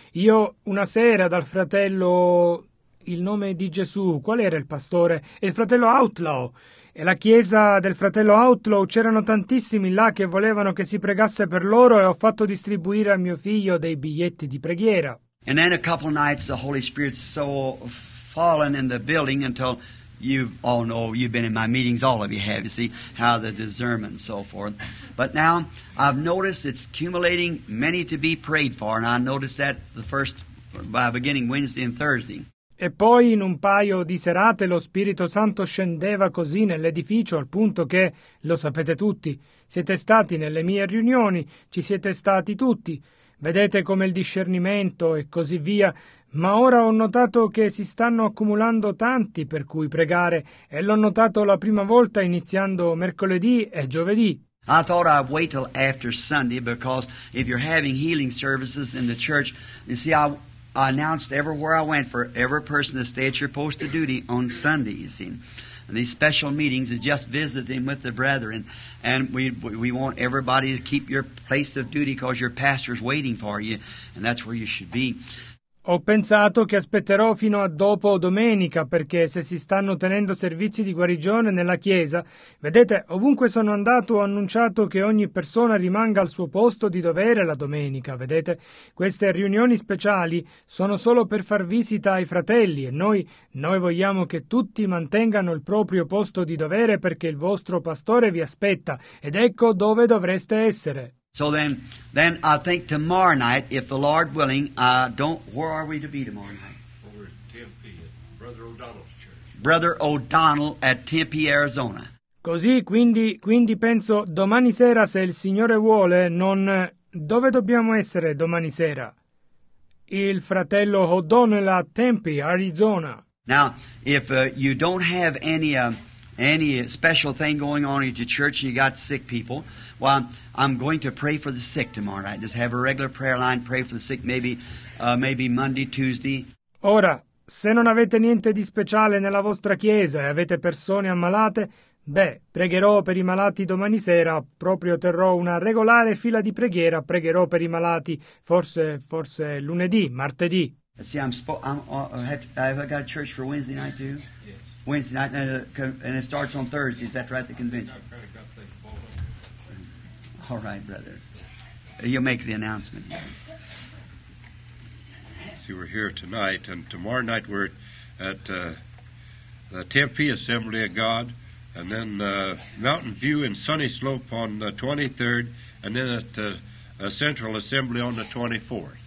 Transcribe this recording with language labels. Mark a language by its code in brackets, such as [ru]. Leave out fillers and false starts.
[it] Io una sera dal fratello, il nome di Gesù, qual era il pastore? Il fratello Outlaw. E la chiesa del fratello Outlaw, c'erano tantissimi là che volevano che si pregasse per loro, e ho fatto distribuire a mio figlio dei biglietti di preghiera. [en] And then a couple nights the Holy Spirit so fallen in the building until You all know, you've been in my meetings, all of you have, you see, how the discernment and so forth. But now, I've noticed it's accumulating many to be prayed for, and I noticed that the first, by beginning Wednesday and Thursday. [it] E poi in un paio di serate lo Spirito Santo scendeva così nell'edificio al punto che, lo sapete tutti, siete stati nelle mie riunioni, ci siete stati tutti, vedete come il discernimento e così via, ma ora ho notato che si stanno accumulando tanti per cui pregare e l'ho notato la prima volta iniziando mercoledì e giovedì. [en] I thought I'd wait till after Sunday because if you're having healing services in the church, you see, I announced everywhere I went for every person to stay at your post of duty on Sunday, you see. And these special meetings is just visiting with the brethren. And we want everybody to keep your place of duty because your pastor's waiting for you. And that's where you should be. [it] Ho pensato che aspetterò fino a dopo domenica, perché se si stanno tenendo servizi di guarigione nella chiesa, vedete, ovunque sono andato ho annunciato che ogni persona rimanga al suo posto di dovere la domenica, vedete? Queste riunioni speciali sono solo per far visita ai fratelli e noi vogliamo che tutti mantengano il proprio posto di dovere perché il vostro pastore vi aspetta ed ecco dove dovreste essere. [en] So then I think tomorrow night, if the Lord willing, where are we to be tomorrow night? Over at Tempe, at Brother O'Donnell's church. Brother O'Donnell at Tempe, Arizona. [it] Così, quindi penso, domani sera, se il Signore vuole, non... Dove dobbiamo essere domani sera? Il fratello O'Donnell a Tempe, Arizona. [en] Now, if you don't have any special thing going on at your church, and you got sick people, well, I'm going to pray for the sick tomorrow night. Just have a regular prayer line, pray for the sick, maybe Monday, Tuesday. [it] Ora, se non avete niente di speciale nella vostra chiesa e avete persone ammalate, beh, pregherò per i malati domani sera, proprio terrò una regolare fila di preghiera, pregherò per i malati, forse lunedì, martedì. [en] See, I've got a church for Wednesday night, too. Wednesday night, and it starts on Thursday. Is that right, the convention? All right, brother. You'll make the announcement. See, we're here tonight, and tomorrow night we're at the Tempe Assembly of God, and then Mountain View in Sunny Slope on the 23rd, and then at Central Assembly on the 24th.